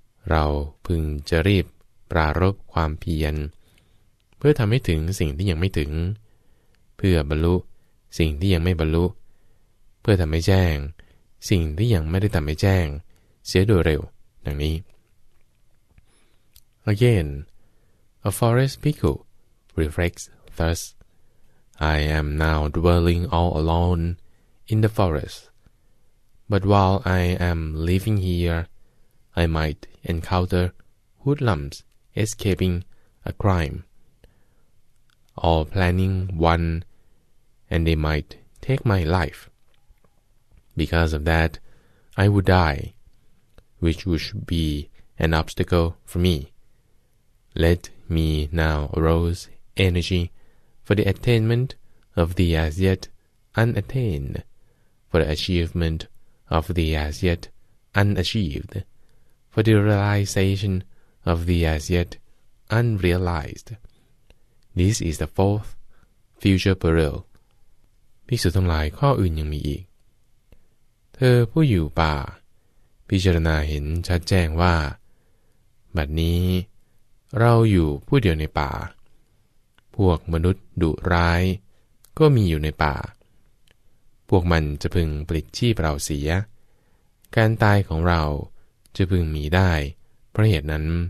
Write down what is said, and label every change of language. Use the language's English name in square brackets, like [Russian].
[Thai] เราพึงจะรีบปรารภความเพียรเพื่อทำให้ถึงสิ่งที่ยังไม่ถึงเพื่อบรรลุสิ่งที่ยังไม่บรรลุเพื่อทำให้แจ้งสิ่งที่ยังไม่ได้ทำให้แจ้งเสียโดยเร็วดังนี้ [English] Again, a forest bhikkhu reflects thus, I am now dwelling all alone in the forest. But while I am living here, I might encounter hoodlums escaping a crime, or planning one, and they might take my life. Because of that, I would die, which would be an obstacle for me. Let me now arouse energy for the attainment of the as yet unattained, for the achievement of the as yet unachieved, for the realization of the as yet unrealized. This is the fourth future peril. [Thai] ภิกษุทั้งหลายข้ออื่นยังมีอีกเธอผู้อยู่ป่าพิจารณาเห็นชัดแจ้งว่าบัดนี้เราอยู่ผู้เดียวในป่าพวกมนุษย์ดุร้ายก็มีอยู่ในป่าพวกมันจะพึงปลิดชีพเราเสียการตายของเราจะพึงมีได้เพราะเหตุนั้น